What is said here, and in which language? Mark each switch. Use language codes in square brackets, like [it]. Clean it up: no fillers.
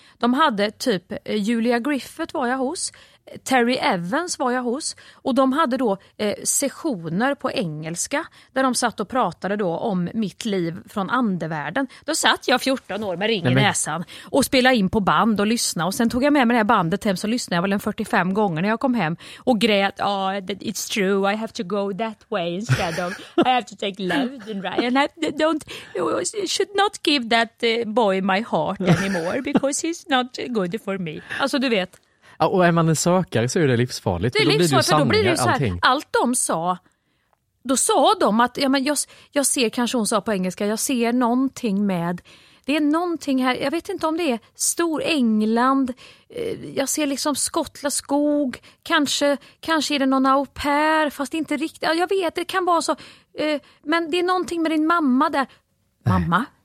[sv] De hade typ Julia Griffith var jag hos. Terry Evans var jag hos. Och de hade då sessioner på engelska där de satt och pratade då om mitt liv från andevärlden. Då satt jag 14 år med ring i näsan och spelade in på band och lyssnade. Och sen tog jag med mig det här bandet hem, så lyssnade jag väl en 45 gånger när jag kom hem. Och grät, [en] it's true, I have to go that way instead of, I have to take love and right. And I don't, should not give that boy my heart anymore because he's not good for me. [sv] Alltså du vet. Och är man en sökare så är det livsfarligt. Det är livsfarligt, då blir det ju sanningar, då blir det ju så här, allting. Allt de sa, då sa de att, ja, men jag ser, kanske hon sa på engelska, jag ser någonting med, det är någonting här, jag vet inte om det är stor England, jag ser liksom skottla skog, kanske är det någon au pair, fast inte riktigt, ja, jag vet, det kan vara så, men det är någonting med din mamma där. Nej. Mamma?